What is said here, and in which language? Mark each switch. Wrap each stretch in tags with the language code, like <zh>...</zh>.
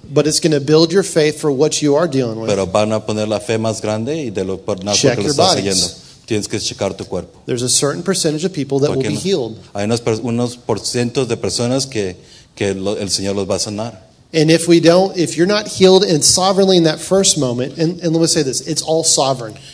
<en>But it's going to build your faith for what you are dealing with.</en> <es>Pero van a poner la fe más grande y de lo por nada que lo estás leyendo. Tienes que checar tu cuerpo.</es> <en>There's a certain percentage of people that will be healed.</en> <es>Hay unos porcentos de personas que el Señor los va a sanar.</es> <en>And if we don't, if you're not healed and sovereignly in that first moment, and let me say this, it's all sovereign.</en>